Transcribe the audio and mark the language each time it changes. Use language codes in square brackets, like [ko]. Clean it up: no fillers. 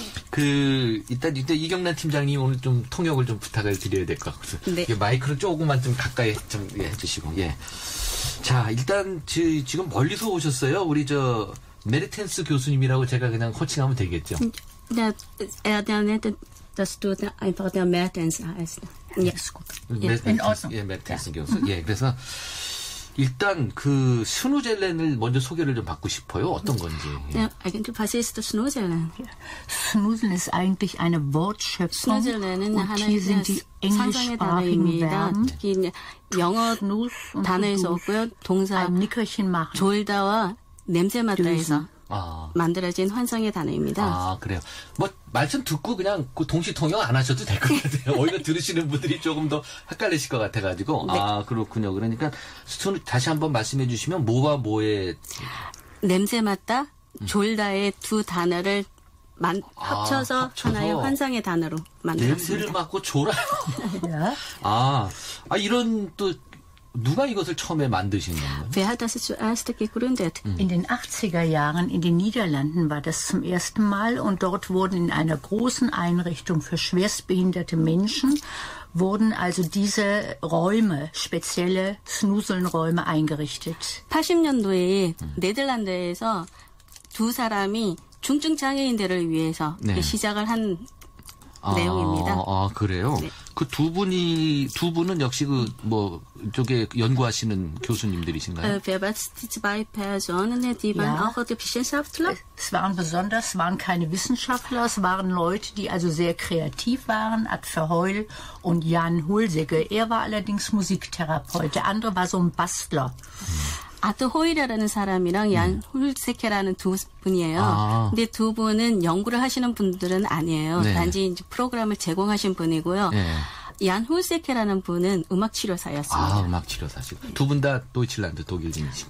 [ko] 그 일단 이경란 팀장님 오늘 좀 통역을 좀 부탁을 드려야 될 것 같아서 네. 마이크를 조금만 좀 가까이 좀 예, 해주시고 예. 자 일단 지금 멀리서 오셨어요. 우리 저 메르텐스 교수님이라고 제가 그냥 호칭하면 되겠죠. 네, 네, student I thought the Meritens has yes, awesome. 예, 메르텐스 교수. 예, 그래서 일단 그 스노우젤렌을 먼저 소개를 좀 받고 싶어요. 어떤 건지. [de] Eigentlich was ist das Snoozellen? Snoozellen ist eigentlich eine Wortschöpfung. [ko] Snoozellen은 하나의 상상의 단어입니다. 특히 영어 단어에서 왔고요. 동사 졸다와 냄새 맡다에서 만들어진 환상의 단어입니다. 아 그래요. 뭐 말씀 듣고 그냥 그 동시통역 안 하셔도 될 것 같아요. 오히려 들으시는 분들이 조금 더 헷갈리실 것 같아가지고. 네. 아 그렇군요. 그러니까 다시 한번 말씀해 주시면 뭐와 뭐의 냄새 맡다, 졸다의 두 단어를 합쳐서 하나의 환상의 단어로 만들었습니다. 냄새를 맡고 졸아요. 아 이런 또 누가 이것을 처음에 만드신 건가요? [de] Wer hat das zuerst gegründet? In den 80er Jahren in den Niederlanden war das zum ersten Mal und dort wurden in einer großen Einrichtung für schwerstbehinderte Menschen wurden also diese Räume, spezielle Snuzeln-Räume eingerichtet. [ko] 80년도에 네덜란드에서 두 사람이 중증 장애인들을 위해서 네. 시작을 한 내용입니다. 아, 그래요? 네. 그 두 분은 역시 그, 뭐, 이쪽에 연구하시는 교수님들이신가요? 네. [de] Es waren besonders, waren keine Wissenschaftler, es waren Leute, die also sehr kreativ waren, Ad Verheul und Jan Hulsegge. Er war allerdings Musiktherapeut, der andere war so ein Bastler. [ko] Ad Verheul이라는 사람이랑 Jan Hulsegge라는 두 분이에요. 근데 두 분은 연구를 하시는 분들은 아니에요. 네. 단지 이제 프로그램을 제공하신 분이고요. 네. 얀 훌세케라는 분은 음악 치료사였습니다. 아, 음악 치료사시고. 두 분 다 도이칠란드 독일인이시고.